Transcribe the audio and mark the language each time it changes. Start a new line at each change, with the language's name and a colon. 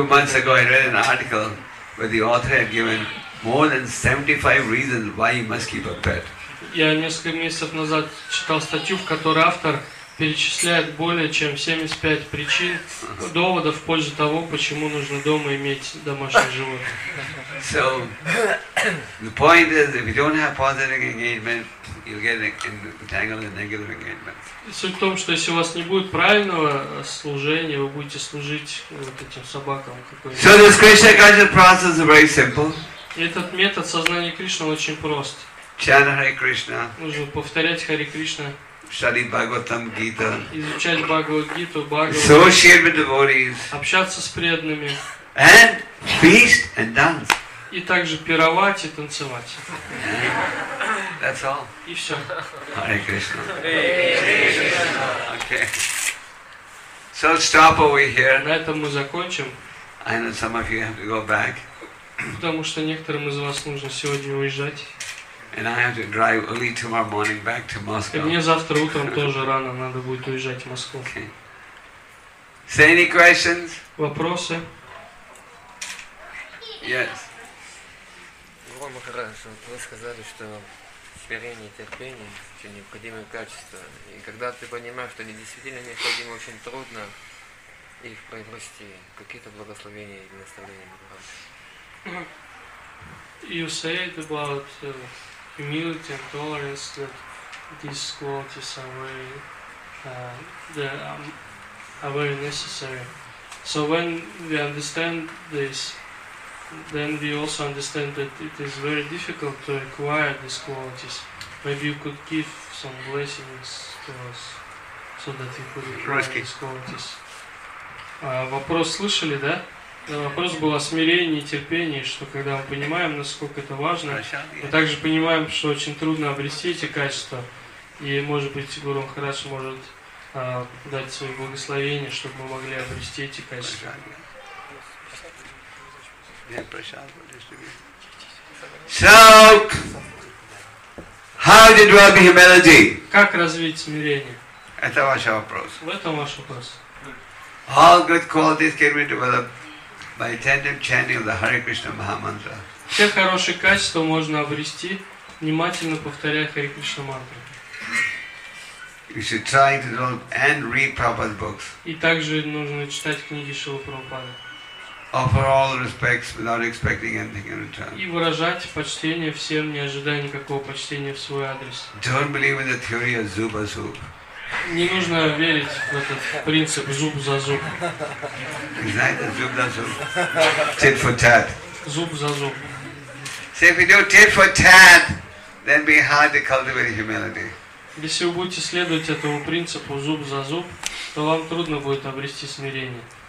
English: Few months ago I read an article where the author had given more than 75 reasons why you must keep a pet.
Russian: Я несколько месяцев назад читал статью, в которой автор перечисляет более чем 75 причин, доводов в пользу того, почему нужно дома иметь домашнее животное.
English: So, the point is, if you don't have positive engagement, you'll get entangled in negative engagement.
Russian: Суть в том, что если у вас не будет правильного служения, вы будете служить вот этим собакам.
English: So this Krishna conscious process is very simple.
Russian: Этот метод сознания Кришны очень прост.
English: Chant Hare Krishna.
Russian: Нужно повторять Хари Кришна.
English: Study Bhagavatam Gita.
Russian: Изучать Бхагавад Гиту, Бхагавад.
English: Associate with devotees.
Russian: Общаться с преданными.
English: And feast and dance.
Russian: И также пировать и танцевать.
English: That's all.
Russian: И все.
English: Hare Krishna. Okay. So stop over here.
Russian: На этом мы закончим.
English: I know some of you have to go back.
Russian: Потому что некоторым из вас нужно сегодня уезжать.
English: And I have to drive early tomorrow morning back to Moscow.
Russian: Мне завтра утром тоже рано надо будет уезжать в Москву.
English: So any questions?
Russian: Вопросы?
English: Yes.
Russian: Гуру Махарадж, вы сказали, что смирение и терпение – очень необходимое качество. И когда ты понимаешь, что они действительно необходимы, очень трудно их приобрести, какие-то благословения или наставления Гуру Махарадж?
English: You said about humility and tolerance, that these qualities are very, are very necessary. So when we understand this, then we also understand that it is very difficult to acquire these qualities. Maybe you could give some blessings to us, so that we could acquire these qualities.
Russian: Вопрос слышали, да? Вопрос был о смирении и терпении, что когда мы понимаем, насколько это важно, мы также понимаем, что очень трудно обрести эти качества, и, может быть, Гуру Махарадж может дать свое благословение, чтобы мы могли обрести эти качества. Прощание. Нет, прощание.
English: So, how did we have humility?
Russian: Как развить смирение? Это ваш вопрос. В этом ваш вопрос.
English: All good qualities can be developed by attentive chanting of the Hare Krishna Mahamantra.
Russian: Все хорошие качества можно обрести, внимательно повторяя Hare Krishna мантру.
English: You should try to develop and read Prabhupada's books.
Russian: И также нужно читать книги Шрилы Прабхупады.
English: Offer all respects without expecting anything in return.
Russian: И выражать почтение всем, не ожидая никакого почтения в свой адрес.
English: Don't believe in the theory of zuba zub.
Russian: Не нужно верить в этот принцип зуб за зуб. Знаете, зуб за зуб.
English: Tit for tat.
Russian: Зуб за зуб.
English: See, if you do tit for tat, then be hard to cultivate humility.
Russian: Если вы будете следовать этому принципу зуб за зуб, то вам трудно будет обрести смирение.